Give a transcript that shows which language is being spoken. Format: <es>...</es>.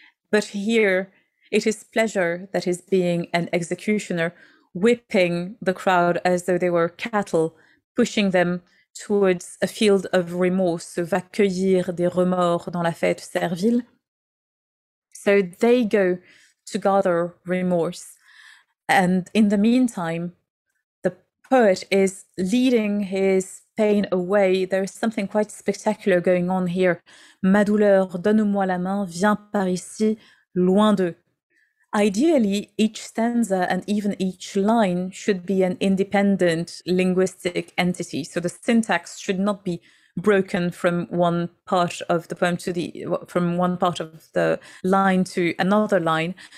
<en>But here, it is pleasure that is being an executioner, whipping the crowd as though they were cattle, pushing them towards a field of remorse, so</en> <fr>va cueillir des remords dans la fête servile.</fr> <en>So they go to gather remorse. And in the meantime, the poet is leading his pain away. There is something quite spectacular going on here.</en> <fr>Ma douleur, donne-moi la main, viens par ici, loin d'eux.</fr> <en>Ideally, each stanza and even each line should be an independent linguistic entity. So the syntax should not be broken from one part of the poem from one part of the line to another line.</en>